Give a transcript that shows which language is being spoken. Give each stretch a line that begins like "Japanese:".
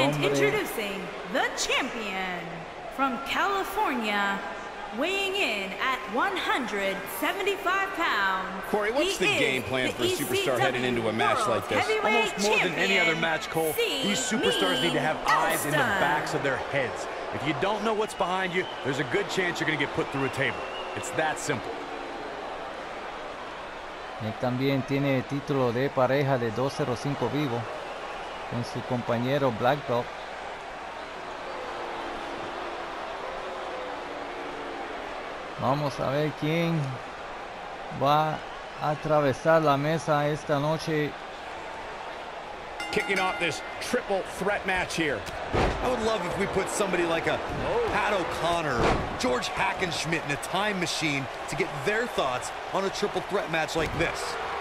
English: And introducing the champion from California, weighing in at 175 pounds. Corey, what's the game plan for a superstar heading into a match like this? Almost more than any other match, Cole, these superstars need to have eyes in the backs of their heads. If you don't know what's behind you, there's a good chance you're going to get put through a table. It's that simple.
Spanish: Él también tiene título de pareja de 205 vivo con su compañero Black Belt. Vamos a ver quién va a atravesar la mesa esta noche.
English: Kicking off this triple threat match here. I would love if we put somebody like a Pat O'Connor, George Hackenschmidt in a time machine to get their thoughts on a triple threat match like this.